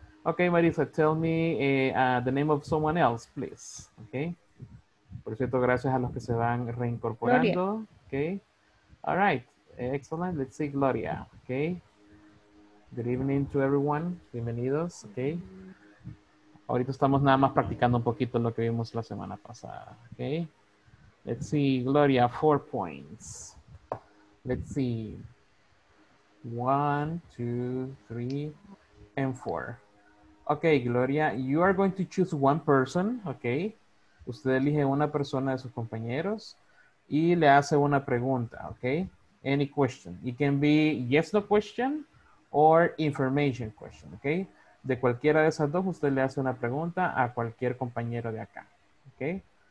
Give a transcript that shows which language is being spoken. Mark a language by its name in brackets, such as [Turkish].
[English] Okay, Marisa, tell me the name of someone else, please. Okay. [Spanish] Por cierto, gracias a los que se van reincorporando. Gloria. [English] Okay. All right. Excellent. Let's see, Gloria. Okay. Good evening to everyone. Bienvenidos. Okay. [Spanish] Ahorita estamos nada más practicando un poquito lo que vimos la semana pasada. [English] Okay. Let's see, Gloria, 4 points. Let's see. 1, 2, 3, and 4. Okay, Gloria, you are going to choose one person, okay? [Spanish] Usted elige una persona de sus compañeros y le hace una pregunta, okay? [English] Any question. It can be yes, no question or information question, okay? [Spanish] De cualquiera de esas dos, usted le hace una pregunta a cualquier compañero de acá, okay?